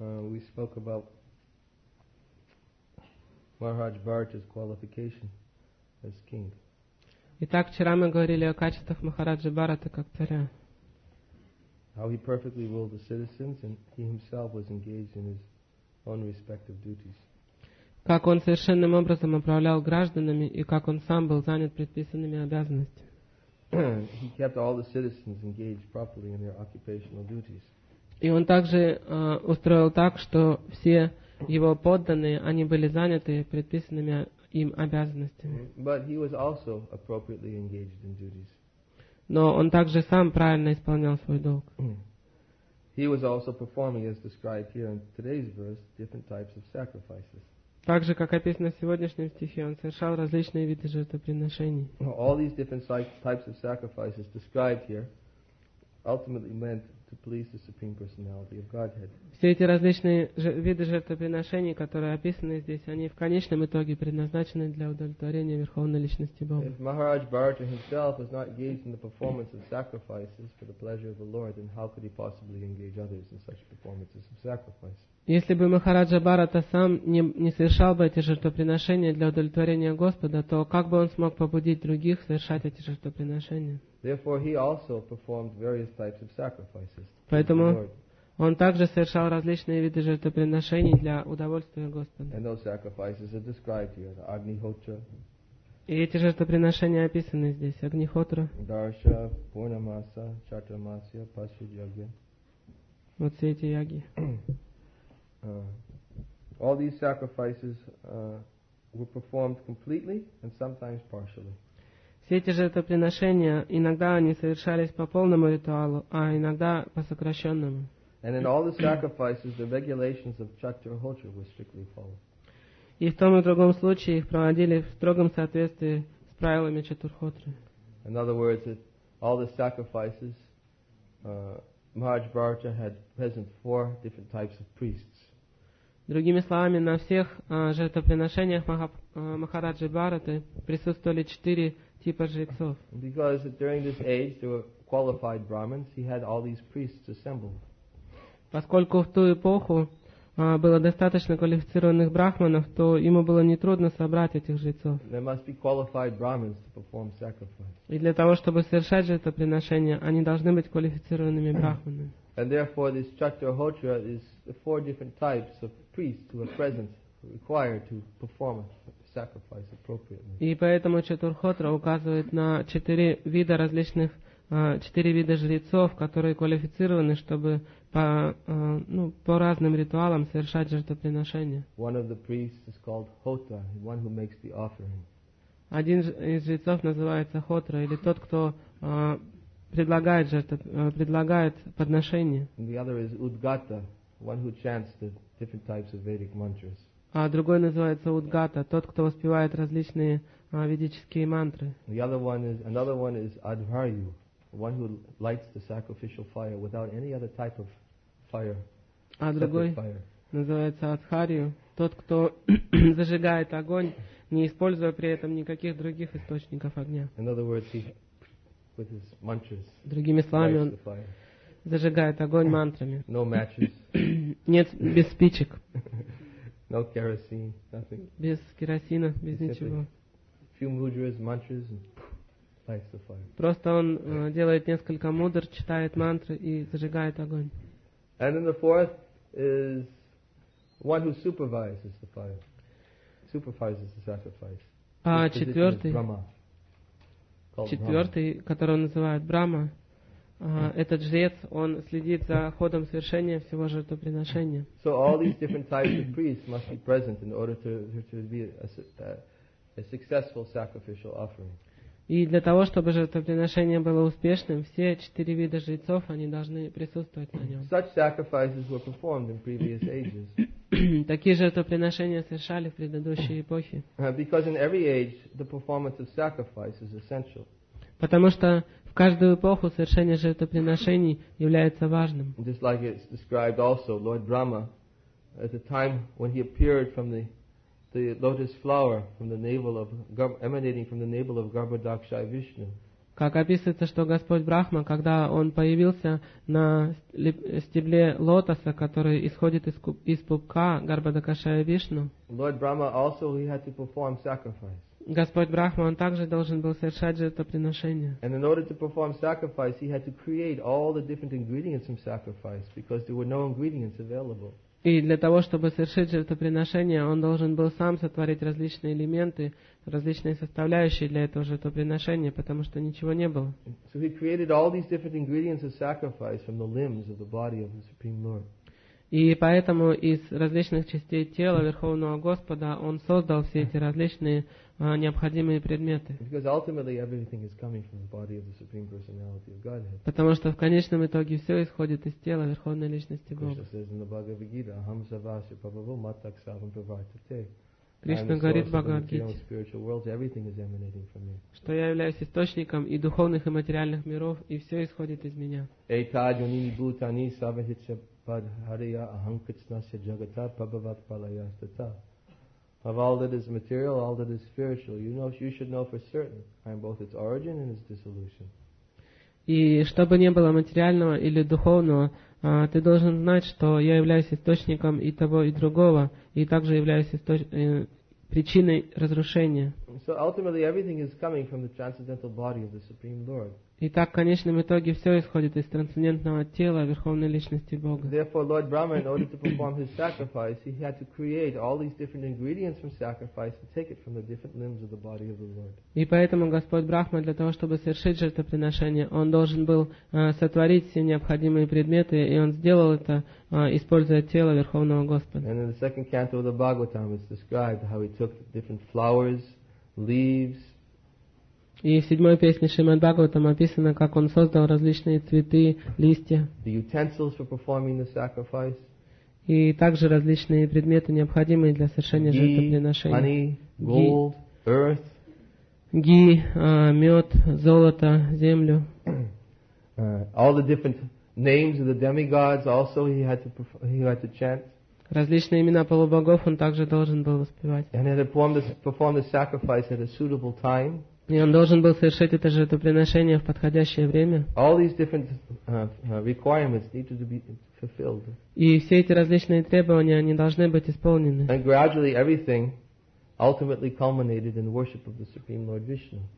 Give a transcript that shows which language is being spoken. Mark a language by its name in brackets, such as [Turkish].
[English] We spoke about Maharaj Bharata's qualification as king. [Russian] Итак, вчера мы говорили о качествах Махараджи Бхараты как царя. [English] How he perfectly ruled the citizens, and he himself was engaged in his own respective duties. [Russian] Как он совершенным образом управлял гражданами и как он сам был занят предписанными обязанностями. [English] He kept all the citizens engaged properly in their occupational duties. [Russian] И он также устроил так, что все его подданные, они были заняты предписанными им обязанностями. [English] But he was also appropriately engaged in duties. [Russian] Но он также сам правильно исполнял свой долг. [English] He was also performing, as described here in today's verse, different types of sacrifices. [Russian] Также, как описано в сегодняшнем стихе, он совершал различные виды жертвоприношений. [English] All these different types of sacrifices described here ultimately meant to please the Supreme Personality of Godhead. [Russian] Все эти различные виды жертвоприношений, которые описаны здесь, они в конечном итоге предназначены для удовлетворения Верховной Личности Бога. [English] If Maharaj Bharata himself was not engaged in the performance of sacrifices for the pleasure of the Lord, then how could he possibly engage others in such performances of sacrifice? [Russian] Если бы Махараджа Бхарата сам не совершал бы эти жертвоприношения для удовлетворения Господа, то как бы он смог побудить других совершать эти жертвоприношения? [English] Therefore, he also performed various types of sacrifices. [Russian] Поэтому он также совершал различные виды жертвоприношений для удовольствия Господа. [English] And those sacrifices are described here, the Agnihotra. [Russian] И эти жертвоприношения описаны здесь, Агнихотра. Дарша, Пурнамаса, Чатурмасья, Пасхи-йоги. Вот все эти яги. [English] All these sacrifices were performed completely and sometimes partially. [Russian] Все эти жертвоприношения иногда они совершались по полному ритуалу, а иногда по сокращенному. [English] And in all the sacrifices, the regulations of Chaturhotra were strictly followed. [Russian] И в том и другом случае их проводили в строгом соответствии с правилами Чатурхотры. [English] In other words, that all the sacrifices, Maharaj Bharata had present four different types of priests. [Russian] Другими словами, на всех жертвоприношениях Махараджи Бхараты присутствовали четыре типа жрецов. [English] Because during this age there were qualified Brahmins, he had all these priests assembled. [Russian] Поскольку в ту эпоху было достаточно квалифицированных брахманов, то ему было нетрудно собрать этих жрецов. [English] There must be qualified Brahmins to perform sacrifice. [Russian] И для того, чтобы совершать жертвоприношения, они должны быть квалифицированными брахманами. [English] And therefore this Chaturhotra is the four different types of priests who are present required to perform a sacrifice appropriately. [Russian] И поэтому Чатурхотра указывает на четыре вида различных четыре вида жрецов, которые квалифицированы, чтобы по разным ритуалам совершать жертвоприношения. [English] One of the priests is called Hota, the one who makes the offering. [Russian] Один из жрецов называется Хотра, или тот, кто предлагает подношение. [English] And the other is Udgata, one who chants the different types of Vedic mantras. [Russian] А другой называется Удгата, тот, кто воспевает различные ведические мантры. [English] The other one is another one is Advayu, one who lights the sacrificial fire without any other type of fire. [Russian] А другой называется Адхарию, тот, кто зажигает огонь, не используя при этом никаких других источников огня. [English] In other words, he with his mantras. [Russian] Другими словами, он зажигает огонь мантрами. [English] No matches. [Russian] Нет, без спичек. [English] No kerosene, nothing. [Russian] Без керосина, без ничего. [English] Few mudras, mantras, and lights the fire. [Russian] Просто он делает несколько мудр, читает мантры и зажигает огонь. [English] And then the fourth is one who supervises the fire, supervises the sacrifice. [Russian] А четвертый, которого называют Брама, этот жрец, он следит за ходом совершения всего жертвоприношения. [English] So all these different types of priests must be present in order to be a successful sacrificial offering. [Russian] И для того, чтобы жертвоприношение было успешным, все четыре вида жрецов, они должны присутствовать на нем. [English] Such sacrifices were performed in previous ages. [Russian] Такие жертвоприношения совершали в предыдущие эпохи. [English] Because in every age, the performance of sacrifice is essential. [Russian] Потому что в каждую эпоху совершение жертвоприношений является важным. [English] Just like it's described also, Lord Brahma, at the time when he appeared from the lotus flower from the navel of emanating from the navel of Garbhodakshaya Vishnu. [Russian] Как описывается, что Господь Брахма, когда он появился на стебле лотоса, который исходит из пупка Гарбхадакшая Вишну. [English] Lord Brahma also he had to perform sacrifice. [Russian] Господь Брахма, он также должен был совершать жертвоприношение. [English] And in order to perform sacrifice, he had to create all the different ingredients from sacrifice because there were no ingredients available. [Russian] И для того, чтобы совершить жертвоприношение, он должен был сам сотворить различные элементы, различные составляющие для этого жертвоприношения, потому что ничего не было. [English] So he created all these different ingredients of sacrifice from the limbs of the body of the Supreme Lord. [Russian] И поэтому из различных частей тела Верховного Господа он создал все эти различные необходимые предметы. [English] Because ultimately everything is coming from the body of the Supreme Personality of Godhead. [Russian] Потому что в конечном итоге все исходит из тела Верховной Личности Бога. [English] Krishna says in the Bhagavad Gita, [Sanskrit] "Aham savasya prabhu matak savam pravartate." [Russian] Кришна говорит в Бхагавад-гите, что я являюсь источником и духовных, и материальных миров, и все исходит из меня. [Sanskrit] Этад юнини бутани савахича падхария аханкачнася джагата пабават палаястата. [English] Of all that is material, all that is spiritual, you know, you should know for certain, I am both its origin and its dissolution. [Russian] И что бы ни было материального или духовного, ты должен знать, что я являюсь источником и того, и другого, и также являюсь причиной разрушения. Итак, в конечном итоге все исходит из трансцендентного тела Верховной Личности Бога. [English] Therefore, Lord Brahma, in order to perform his sacrifice, he had to create all these different ingredients from sacrifice and take it from the different limbs of the body of the Lord. [Russian] И поэтому Господь Брахма для того, чтобы совершить жертвоприношение, он должен был сотворить все необходимые предметы, и он сделал это, используя тело Верховного Господа. [English] And in the second canto of the Bhagavatam, it's described how he took different flowers, leaves. [Russian] И в седьмой песне Шримад-Бхагаватам описано, как он создал различные цветы, листья. [English] The utensils for performing the sacrifice. [Russian] И также различные предметы, необходимые для совершения жертвоприношения. [English] Ghee, honey, gold, earth. [Russian] Ghee, мед, золото, землю. [English] All the different names of the demigods also he had to chant. [Russian] Различные имена полубогов он также должен был воспевать. [English] And he had to perform the sacrifice at a suitable time. [Russian] И он должен был совершить это жертвоприношение в подходящее время. [English] All these different requirements need to be fulfilled. [Russian] И все эти различные требования, они должны быть исполнены. [English] And gradually everything ultimately culminated in worship of the Supreme Lord Vishnu.